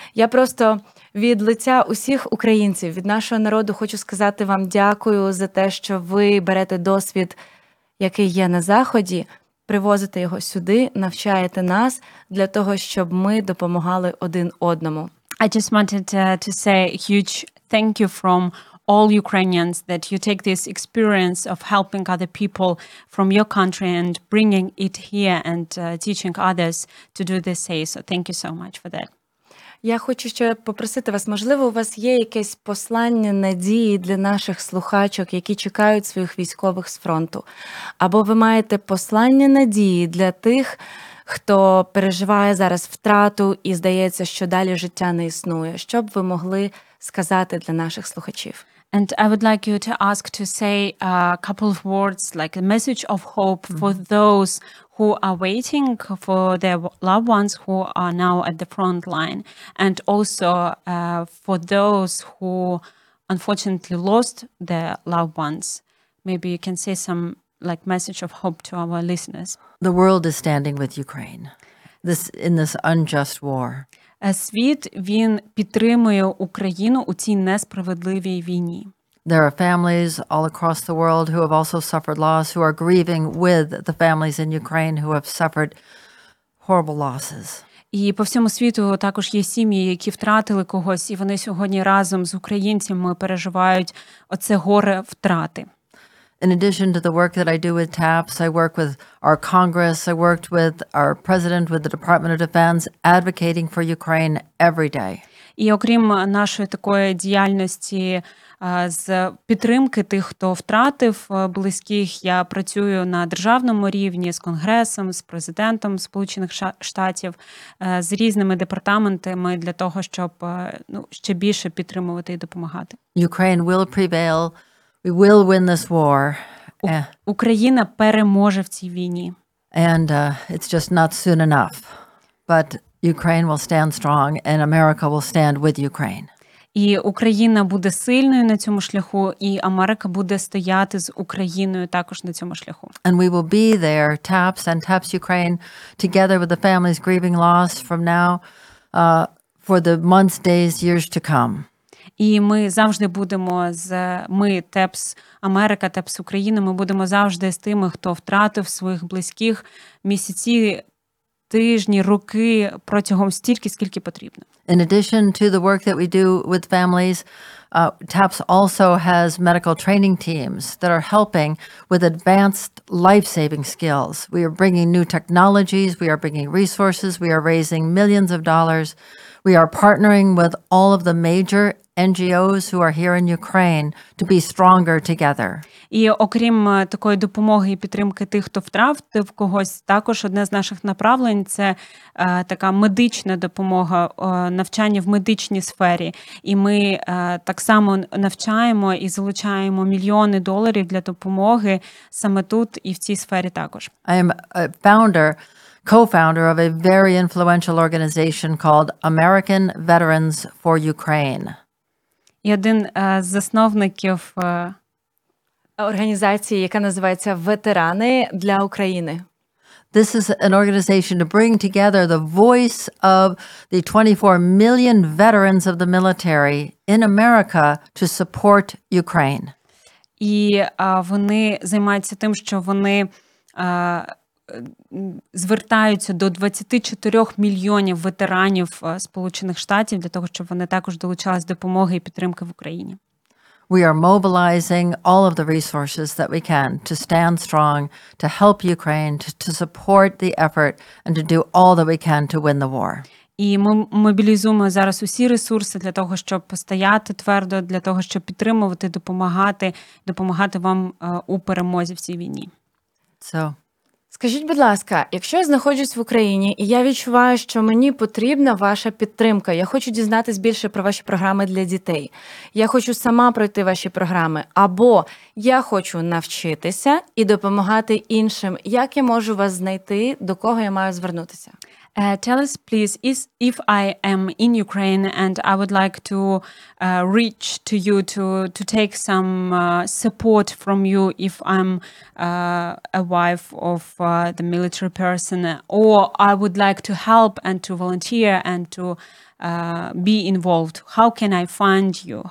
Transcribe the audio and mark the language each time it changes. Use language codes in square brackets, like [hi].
[uk] Я просто від лиця усіх українців, від нашого народу хочу сказати вам дякую за те, що ви берете досвід, який є на Заході, привозити його сюди, навчаєте нас для того, щоб ми допомагали один одному. [en] I just wanted to say a huge thank you from all Ukrainians that you take this experience of helping other people from your country and bringing it here and teaching others to do the same. So thank you so much for that. [uk] Я хочу ще попросити вас, можливо, у вас є якесь послання надії для наших слухачок, які чекають своїх військових з фронту? Або ви маєте послання надії для тих, хто переживає зараз втрату і здається, що далі життя не існує? Що б ви могли сказати для наших слухачів? [en] And I would like you to ask to say a couple of words, like a message of hope for those who are waiting for their loved ones who are now at the front line, and also for those who unfortunately lost their loved ones. Maybe you can say some like message of hope to our listeners. The world is standing with Ukraine in this unjust war. [uk] Світ, він підтримує Україну у цій несправедливій війні. [en] There are families all across the world who have also suffered loss, who are grieving with the families in Ukraine who have suffered horrible losses. [uk] І по всьому світу також є сім'ї, які втратили когось, і вони сьогодні разом з українцями переживають оце горе втрати. [en] In addition to the work that I do with TAPS, I work with our Congress, I worked with our President, with the Department of Defense, advocating for Ukraine every day. [uk] І окрім нашої такої діяльності з підтримки тих, хто втратив близьких, я працюю на державному рівні з Конгресом, з Президентом Сполучених Штатів, з різними департаментами для того, щоб ще більше підтримувати і допомагати. [en] Ukraine will prevail. We will win this war. [uk] Україна переможе в цій війні. [en] And it's just not soon enough. But Ukraine will stand strong and America will stand with Ukraine. [uk] І Україна буде сильною на цьому шляху, і Америка буде стояти з Україною також на цьому шляху. [en] And we will be there, TAPS and TAPS Ukraine, together with the families grieving loss from now, for the months, days, years to come. [uk] І ми завжди будемо ми ТЕПС Америка, ТЕПС Україна, ми будемо завжди з тими, хто втратив своїх близьких місяці, тижні, роки протягом стільки, скільки потрібно. [en] In addition to the work that we do with families, TAPS also has medical training teams that are helping with advanced life-saving skills. We are bringing new technologies, we are bringing resources, we are raising millions of dollars. We are partnering with all of the major NGOs who are here in Ukraine to be stronger together. [uk] І окрім такої допомоги і підтримки тих, хто втратив когось, також одне з наших направлень – це така медична допомога, навчання в медичній сфері. І ми так само навчаємо і залучаємо мільйони доларів для допомоги саме тут і в цій сфері також. [en] I am a founder, co-founder of a very influential organization called American Veterans for Ukraine. [uk] І один з засновників організації, яка називається «Ветерани для України». [en] This is an organization to bring together the voice of the 24 million veterans of the military in America to support Ukraine. [uk] І вони займаються тим, що вони звертаються до 24 мільйонів ветеранів Сполучених Штатів для того, щоб вони також долучались допомоги і підтримки в Україні. [en] We are mobilizing all of the resources that we can to stand strong, to help Ukraine, to support the effort, and to do all that we can to win the war. [uk] І ми мобілізуємо зараз усі ресурси для того, щоб постояти твердо, для того, щоб підтримувати, допомагати вам у перемозі в цій війні. So. Скажіть, будь ласка, якщо я знаходжусь в Україні, і я відчуваю, що мені потрібна ваша підтримка, я хочу дізнатися більше про ваші програми для дітей, я хочу сама пройти ваші програми, або я хочу навчитися і допомагати іншим, як я можу вас знайти, до кого я маю звернутися? [en] Tell us, please, if I am in Ukraine and I would like to reach to you to take some support from you, if I'm a wife of the military person, or I would like to help and to volunteer and to be involved, how can I find you?